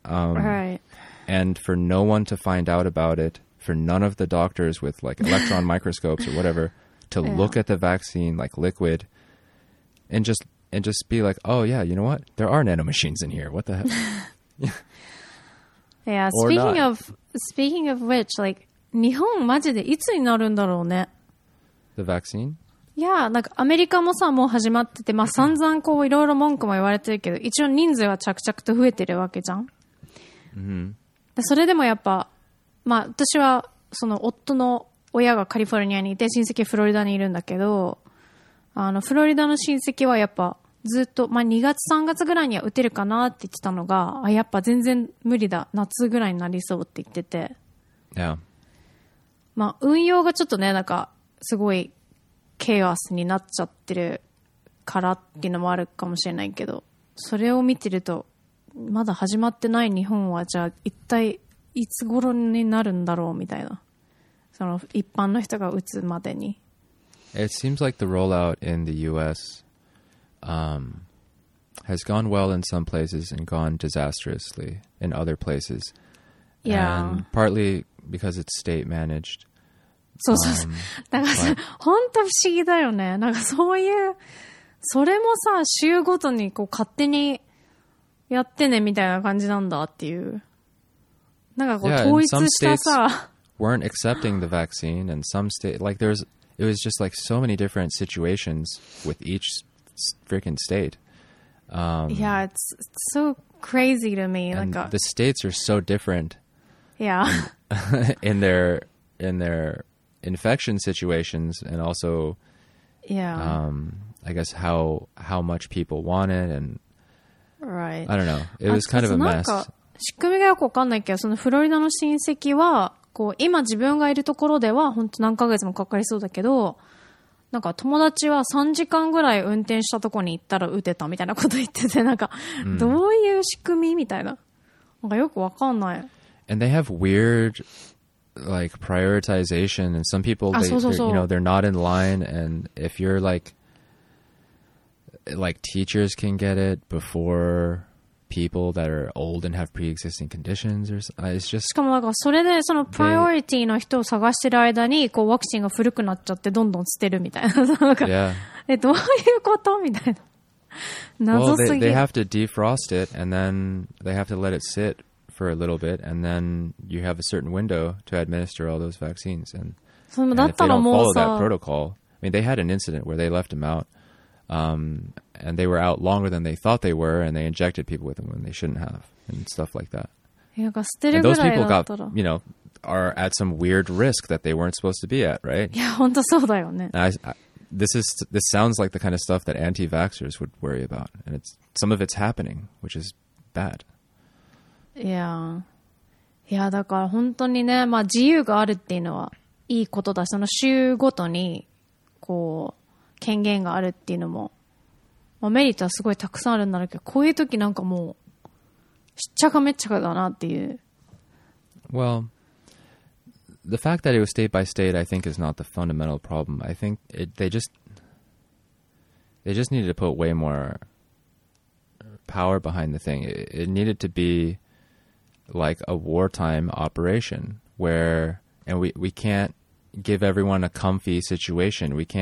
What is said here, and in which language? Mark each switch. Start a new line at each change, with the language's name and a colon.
English: Right. And for no one to find out about it, for none of the doctors with like electron microscopes or whatever to look at the vaccine like liquid and just be like, oh yeah, you know what? There are nanomachines in here. What the hell? Yeah. Speaking of which, like,
Japanese: 日本マジでいつになるんだろうね。
English: The vaccine? Yeah, like,
Japanese: アメリカもさ、もう始まってて、まあ、散々こう、いろいろ文句も言われてるけど、一応人数は着々と増えてるわけじゃん。 Mm-hmm. それでもやっぱ、まあ、私は、その、夫の親がカリフォルニアにいて、親戚フロリダにいるんだけど、あの、フロリダの親戚はやっぱ、ずっと、まあ、2月、3月ぐらいには打てるかなって言ってたのが、あ、やっぱ全然無理だ。夏ぐらいになりそうって言ってて。
English: Yeah.
Japanese: まあ、運用がちょっとね、なんか、すごいケアスになっちゃってるからっていうのもあるかもしれないけど、それを見てるとまだ始まってない日本はじゃあ一体いつ頃になるんだろうみたいな、その一般の人が打つまでに。
English: It seems like the rollout in the US has gone well in some places and gone disastrously in other places. Yeah. And partly because it's state managed
Japanese: そうそうそう。だから本当不思議だよね。なんかそういう、それもさ、州ごとにこう勝手にやってねみたいな感じなんだっていう。なんかこう、統一したさ。
English: Yeah, in some states weren't accepting the vaccine, and some states, like, there's, it was just like so many different situations with each freaking state. Yeah, it's so crazy to me. And like the states are so different. Yeah. In their infection situations, and also, yeah, I guess how much people want it, and right, I don't know, it was kind of a mess.
Japanese: 仕組みがよくわかんないけど、そのフロリダの親戚はこう今自分がいるところでは本当何ヶ月もかかりそうだけど、なんか友達は3時間ぐらい運転したところに行ったら打てたみたいなこと言ってて、なんか、どういう仕組みみたいな、なんかよくわかんない。
English: And they have weird, like, prioritization, and some people, you know, they're not in line, and if you're, like, teachers can get it before people that are old and have pre-existing conditions, or it's just...
Japanese: しかもなんかそれでそのプライオリティの人を探してる間に、こうワクチンが古くなっちゃってどんどん捨てるみたいな、なんか、
English: yeah.
Japanese: どういうことみたいな、謎すぎ。
English: Well, they have to defrost it, and then they have to let it sit. For a little bit, and then you have a certain window to administer all those vaccines. And if they don't follow that protocol, I mean, they had an incident where they left them out, and they were out longer than they thought they were, and they injected people with them when they shouldn't have, and stuff like that. And those people got, you know, are at some weird risk that they weren't supposed to be at, right? Yeah,
Japanese: 本当そうだよね。
English: This sounds like the kind of stuff that anti-vaxxers would worry about, and some of it's happening, which is bad. Yeah. Yeah,
Japanese: だから本当にね、まあ自由があるっていうのはいいことだし、その州ごとにこう権限があるっていうのも、まあ、メリットはすごいたくさんあるんだろうけど、こういう時なんかもうしっちゃかめっちゃかだなっていう。
English: Well, the fact that it was state by state, I think, is not the fundamental problem. I think they just needed to put way more power behind the thing. It needed to be. Like a wartime operation where, and we can't give everyone a comfy situation.